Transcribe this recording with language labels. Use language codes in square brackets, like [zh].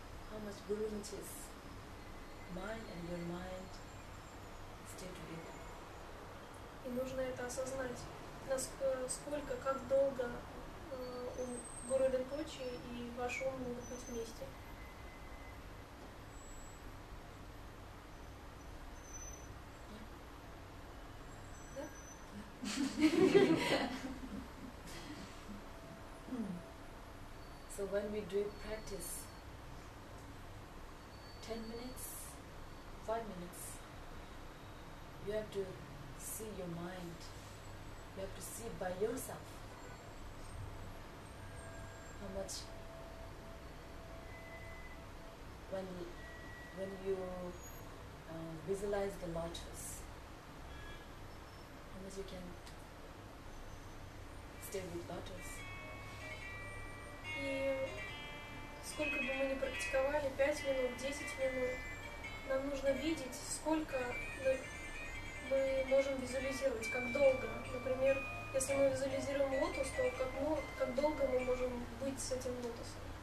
[en] How much Guru Mahārāja's mind and your mind stay together. [ru] И нужно это осознать, насколько, как долго у Гуру Ринпоче и ваш ум могут быть вместе. [en] So when we do practice, 10 minutes, 5 minutes, you have to see your mind, you have to see by yourself how much when you visualize the lotus, how much you can stay with lotus. [ru] И сколько бы мы ни практиковали, 5 минут, 10 минут, нам нужно видеть, сколько мы можем визуализировать, как долго. Например, если мы визуализируем лотос, то как долго мы можем быть с этим лотосом?